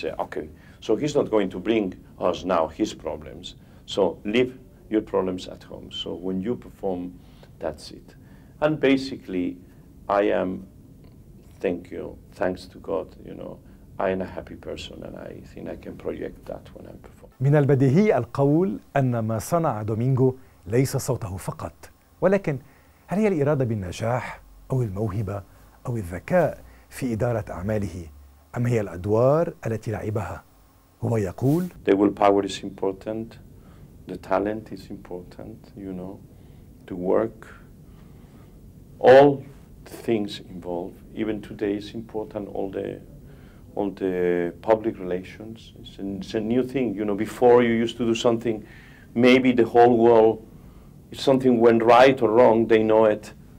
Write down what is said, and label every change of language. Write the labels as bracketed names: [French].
[English] Say, okay, so he's not going to bring us now his problems. So leave your problems at home. So when you perform, that's it. And basically, I am, thank you, thanks to God, you know, I am a happy person and I think I can project that when I perform. [Arabic] من البديهي القول أن ما صنع دومينغو ليس صوته فقط، ولكن هل هي الإرادة بالنجاح أو الموهبة أو الذكاء في إدارة أعماله، أم هي الأدوار التي لعبها؟ هو يقول: [English] The willpower is important, the talent is important, you know, to work. All things involved, even today is important, all the public relations. It's a new thing. You know, before you used to do something, maybe the whole world, if something went right or wrong, they know it.